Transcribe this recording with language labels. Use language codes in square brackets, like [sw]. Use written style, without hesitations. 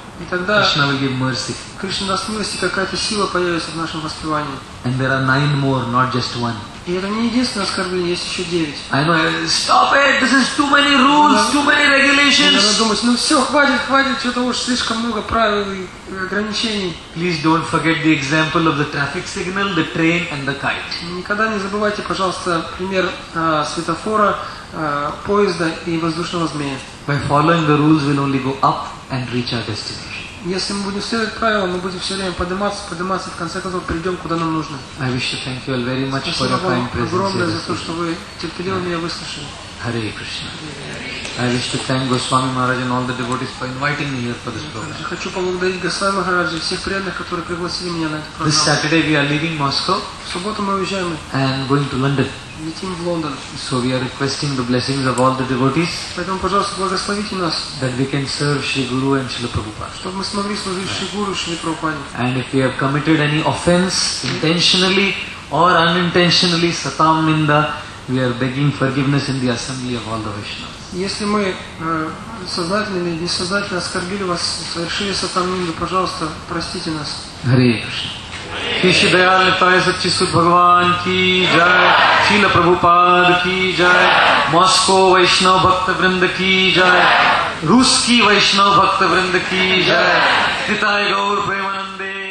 [ru] И тогда [en] Krishna will give mercy. [ru] Кришна даст милость, какая-то сила появится в нашем воспевании. [en] And there are nine more, not just one. [ru] И это не единственное оскорбление, есть еще девять. [en] I know. Stop it! This is too many rules, too many regulations. [ru] Надо думать, ну все, хватит, что-то уж слишком много правил и ограничений. [en] Please don't forget the example of the traffic signal, the train and the kite. [ru] Никогда не забывайте, пожалуйста, пример светофора, поезда и воздушного змея. [en] By following the rules, we'll only go up and reach our destination. [ru] Если мы будем следовать правилам, мы будем все время подниматься, и в конце концов придем, куда нам нужно. [en] I wish to thank you all very much [ru] Спасибо [en] for your kind presence. [ru] Огромное за то, что вы терпеливо меня выслушали. [en] Hare Krishna. I wish to thank Goswami Maharaj and all the devotees for inviting me here for this program. This Saturday we are leaving Moscow and going to London. So we are requesting the blessings of all the devotees that we can serve Sri Guru and Srila Prabhupada. And if we have committed any offense intentionally or unintentionally, Satam Ninda, we are begging forgiveness in the assembly of all the Vaishnavas. [ru] Если мы сознательно или несознательно оскорбили вас, совершили сатамнинду, пожалуйста, простите нас. [en] Hare Krishna. [sa] Кришна Даяна Тая Сатчису Бхагаван Ки Джай, Шрила Прабхупада Ки Джай, Моско Вайшнав Бхакта Вринда Ки Джай, Русский Вайшнав Бхакта Вринда Ки Джай, Китай Гаур Премананде.